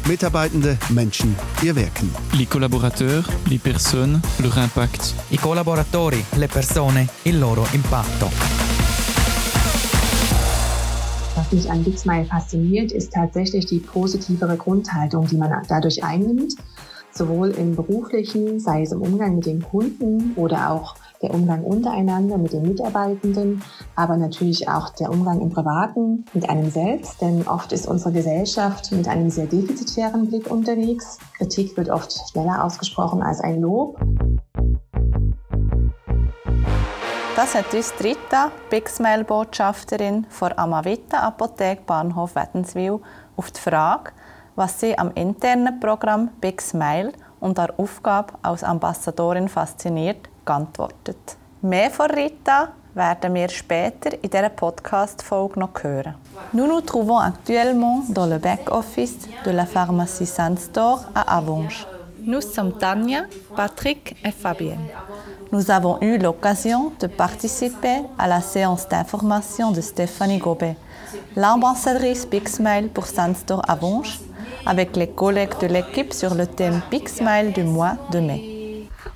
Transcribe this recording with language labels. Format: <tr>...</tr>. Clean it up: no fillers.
<de>Mitarbeitende, Menschen, ihr Wirken.</de> <fr>Les collaborateurs, les personnes, leur impact.</fr> <it>I collaboratori, le persone, il loro impatto.</it> <de>Was mich an bigsmile fasziniert, ist tatsächlich die positivere Grundhaltung, die man dadurch einnimmt. Sowohl im beruflichen, sei es im Umgang mit den Kunden oder auch der Umgang untereinander mit den Mitarbeitenden, aber natürlich auch der Umgang im Privaten mit einem selbst, denn oft ist unsere Gesellschaft mit einem sehr defizitären Blick unterwegs. Kritik wird oft schneller ausgesprochen als ein Lob. Das hat uns Rita, Bigsmile-Botschafterin von Amavita Apotheke Bahnhof Wädenswil, auf die Frage, was sie am internen Programm bigsmile und an Aufgabe als Ambassadorin fasziniert, geantwortet. Mehr von Rita werden wir später in dieser Podcast-Folge noch hören.</de> <fr>Nous nous trouvons actuellement dans le back-office de la pharmacie Saint-Store à Avonches. Nous sommes Tania, Patrick et Fabienne. Nous avons eu l'occasion de participer à la séance d'information de Stéphanie Gobet, l'ambassadrice bigsmile pour Saint-Store Avonches, avec les collègues de l'équipe sur le thème bigsmile du mois de mai.</fr>